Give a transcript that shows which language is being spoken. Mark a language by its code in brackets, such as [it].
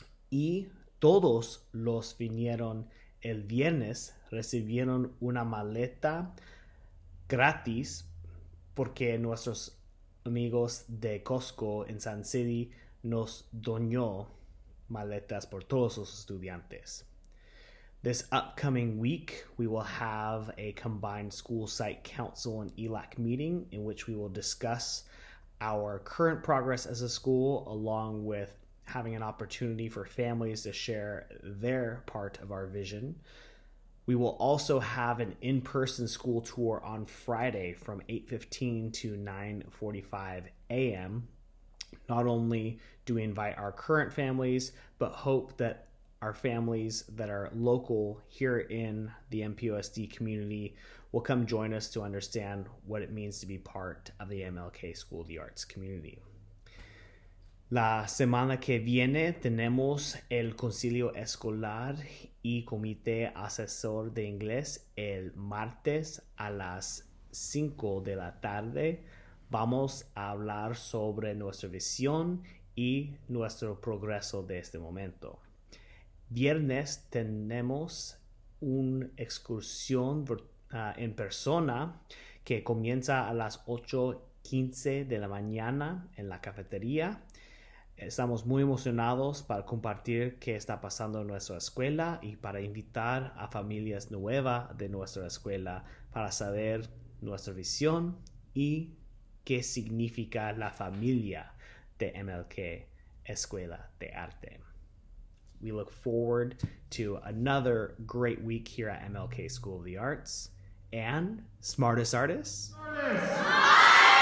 [es] Y todos los vinieron el viernes recibieron una maleta gratis porque nuestros amigos de Costco en San City nos donó maletas por todos los estudiantes. [en] This upcoming week, we will have a combined school site council and ELAC meeting in which we will discuss our current progress as a school, along with having an opportunity for families to share their part of our vision. We will also have an in-person school tour on Friday from 8:15 to 9:45 a.m. Not only do we invite our current families, but hope that our families that are local here in the MPOSD community will come join us to understand what it means to be part of the MLK School of the Arts community. [es] La semana que viene tenemos el Consilio Escolar y Comité Asesor de Inglés el martes a las 5 de la tarde. Vamos a hablar sobre nuestra visión y nuestro progreso de este momento. Viernes tenemos una excursión en persona que comienza a las 8:15 de la mañana en la cafetería. Estamos muy emocionados para compartir qué está pasando en nuestra escuela y para invitar a familias nuevas de nuestra escuela para saber nuestra visión y qué significa la familia de MLK Escuela de Arte. [en] We look forward to another great week here at MLK School of the Arts. And smartest artists.